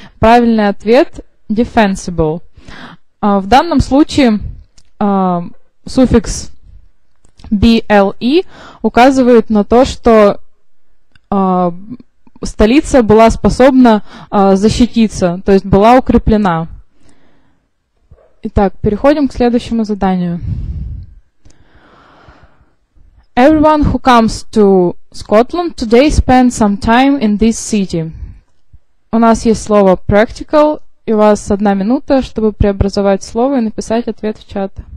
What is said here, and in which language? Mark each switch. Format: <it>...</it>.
<ru>Правильный ответ – defensible. В данном случае суффикс BLE указывает на то, что столица была способна защититься, то есть была укреплена. Итак, переходим к следующему заданию.</ru> <en>Everyone who comes to Scotland today spends some time in this city.</en> <ru>У нас есть слово practical, и у вас одна минута, чтобы преобразовать слово и написать ответ в чат.</ru>